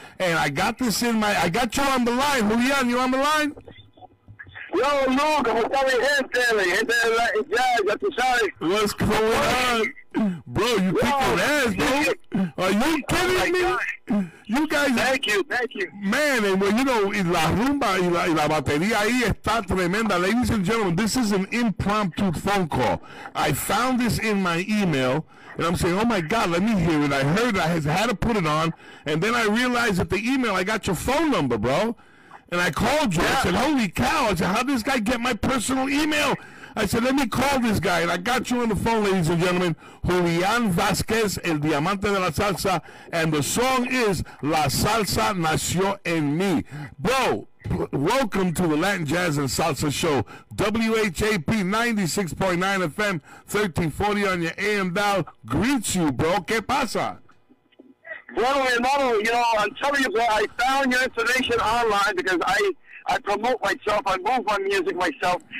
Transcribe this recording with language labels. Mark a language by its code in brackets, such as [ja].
[en] And I got this in my, I got you on the line. Julián, you on the line? [es] Yo, Luke, ¿cómo está mi gente? Mi gente de la ya tú sabes. [en] What's going on? Bro, you kick your ass, bro. Are you kidding me? You guys. Thank you. Man, and well, you know, [es] y la rumba y la batería ahí está tremenda. [en] Ladies and gentlemen, this is an impromptu phone call. I found this in my email, and I'm saying, oh, my God, let me hear it. I heard it. I had to put it on, and then I realized that the email, I got your phone number, bro. And I called you. I said, holy cow. I said, how did this guy get my personal email? I said, let me call this guy. And I got you on the phone, ladies and gentlemen. Julián Vázquez, El Diamante de la Salsa. And the song is La Salsa Nació en Mí. Bro, welcome to the Latin Jazz and Salsa Show. WHAP 96.9 FM, 1340 on your AM dial. Greets you, bro. [es] ¿Qué pasa? Bueno, hermano, [en] you know, I'm telling you, bro, I found your information online because I promote myself, I move my music myself.